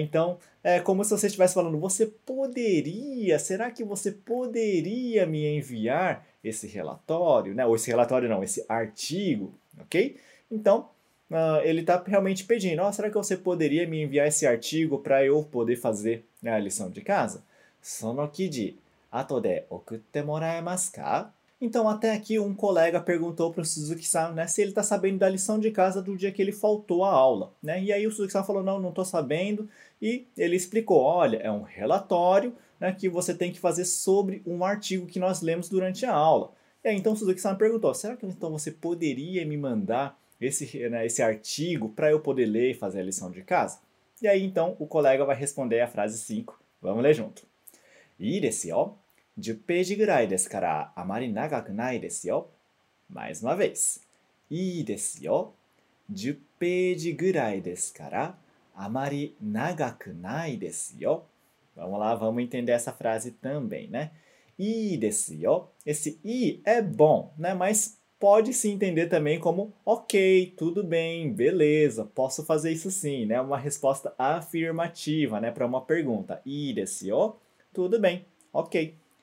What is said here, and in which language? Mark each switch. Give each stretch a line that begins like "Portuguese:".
Portuguese: Então, é como se você estivesse falando, você poderia, será que você poderia me enviar esse relatório, né? Ou esse relatório não, esse artigo, ok? Então, ele está realmente pedindo, será que você poderia me enviar esse artigo para eu poder fazer, né, a lição de casa?
Japanese: Sono kiji. あとで送ってもらえますか?
Portuguese: Então, até aqui, um colega perguntou para o Suzuki-san, né, se ele está sabendo da lição de casa do dia que ele faltou a aula. Né? E aí o Suzuki-san falou, não estou sabendo. E ele explicou, olha, é um relatório, né, que você tem que fazer sobre um artigo que nós lemos durante a aula. E aí, então, o Suzuki-san perguntou, será que então, você poderia me mandar esse, né, esse artigo para eu poder ler e fazer a lição de casa? E aí, então, o colega vai responder a frase 5, Vamos ler junto.
Japanese: いいですよ。 10ページぐらいですから、あまり長くないですよ。
Portuguese: Mais uma vez.
Japanese: いいですよ。 10ページぐらいですから、あまり長くないですよ。
Portuguese: Vamos lá, vamos entender essa frase também, né?
Japanese: いいですよ。
Portuguese: Esse いい é bom, né? Mas pode se entender também como ok, tudo bem, beleza, posso fazer isso sim, né? Uma resposta afirmativa, né? Para uma pergunta.
Japanese: いいですよ。
Portuguese: Tudo bem, ok.